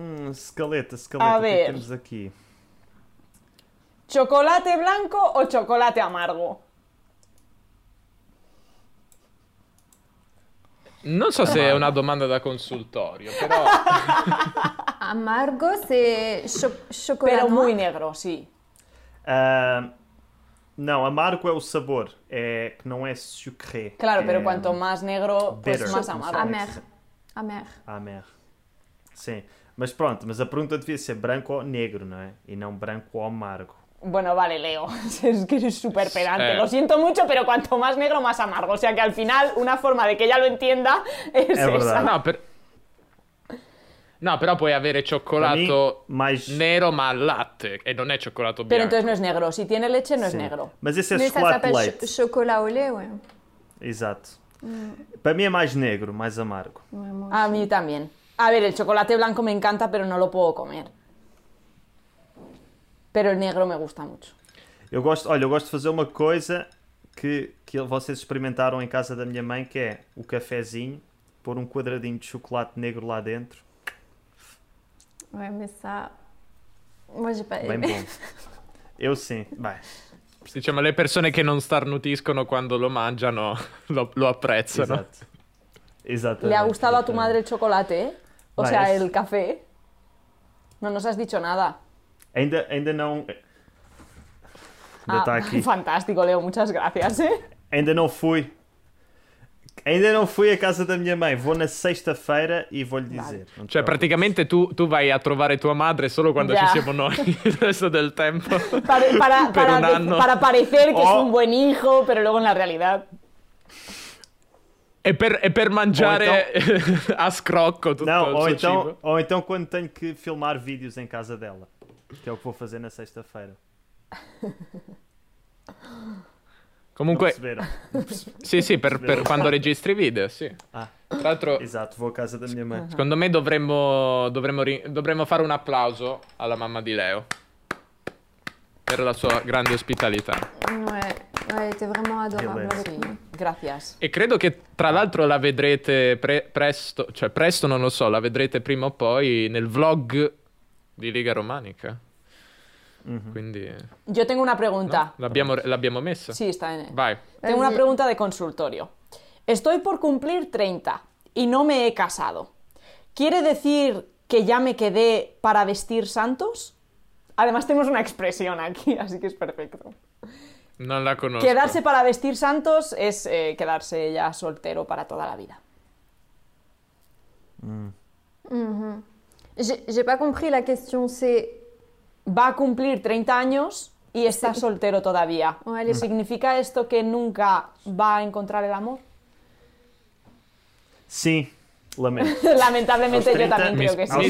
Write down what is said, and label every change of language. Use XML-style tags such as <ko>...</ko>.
<es>Escaleta, escaleta, ¿qué tenemos aquí? ¿Chocolate blanco o chocolate amargo?</es> <it>Non so se è una domanda da consultorio, però... Amargo se cioccolato... Però molto nero, sì. No, amargo è il sabor, è che non è sucré. Claro, però quanto più nero, più amargo.</it> <fr>Amer. Amer. Amer.</fr> <it>Sì, ma pronto, ma la domanda deve essere branco o negro, no? E non branco o amargo.</it> <es>Bueno, vale, Leo, es que eres súper pedante. Lo siento mucho, pero cuanto más negro, más amargo. O sea que al final, una forma de que ella lo entienda es esa. No, pero... No, pero puede haber chocolate más... negro más latte. Y no es chocolate blanco. Pero entonces no es negro. Si tiene leche, no es negro. Mas ese es chocolate light. Chocolate au lait, bueno. Exacto. Para mí es más negro, más amargo. A mí también. A ver, el chocolate blanco me encanta, pero no lo puedo comer. Pero el negro me gusta mucho.</es> <pt>Eu gosto, olha, eu gosto de fazer uma coisa que vocês experimentaram em casa da minha mãe, que é o cafezinho, pôr um quadradinho de chocolate negro lá dentro. Ué, mas está... Mas, bem bom. Eu sim, vai.</pt> <it>Diciamo, le persone che non starnutiscono quando lo mangiano, lo apprezzano.</it> <pt>Exato. Exatamente.</pt> <es>Le ha gustado a tu madre el chocolate, eh? O sea, el café. No nos has dicho nada.</es> <pt>Ainda não... Ainda está aqui. Fantástico, Leo. Muitas graças. Ainda não fui. Ainda não fui à casa da minha mãe. Vou na sexta-feira e vou-lhe dizer.</pt> <es>Vale.</es> <it>Cioè, praticamente tu vai a trovar a tua madre solo quando ci siamo noi il resto del tempo.</it> <es>Para parecer que es un buen hijo, pero luego en la realidad...</es> <it>E per mangiare então... a scrocco tutto no, il suo</it> <pt>então,</pt> <it>cibo.</it> <pt>Ou então quando tenho que filmar vídeos em casa dela. Que é o que vou fazer na sexta-feira.</pt> <it>Comunque...</it> <pt>Sim, sim,</pt> <it>per quando registri vídeo, sim. Ah. Tra l'altro...</it> <pt>Esatto, vou à casa da minha mãe.</pt> <it>Secondo me dovremmo fare un applauso alla mamma di Leo. Per la sua grande ospitalità.</it> <fr>Ouais, t'es vraiment adorable.</fr> <it>Sì. Grazie. E credo che tra l'altro la vedrete presto, cioè presto non lo so, la vedrete prima o poi nel vlog... Di Liga Románica. Mm-hmm. Quindi.</it> <es>Yo tengo una pregunta. No,</es> <it>l'abbiamo messa?</it> <es>Sí, está bien.</es> <pt>Vai.</pt> <es>Tengo una pregunta de consultorio. Estoy por cumplir 30 y no me he casado. ¿Quiere decir que ya me quedé para vestir santos? Además, tenemos una expresión aquí, así que es perfecto. No la conozco. Quedarse para vestir santos es quedarse ya soltero para toda la vida. Mm-hmm.</es> <fr>J'ai pas compris la question, c'est...</fr> <es>Va a cumplir 30 años y está soltero todavía. Vale. ¿Significa esto que nunca va a encontrar el amor? Sí, lamentablemente 30... yo también creo que sí.</es>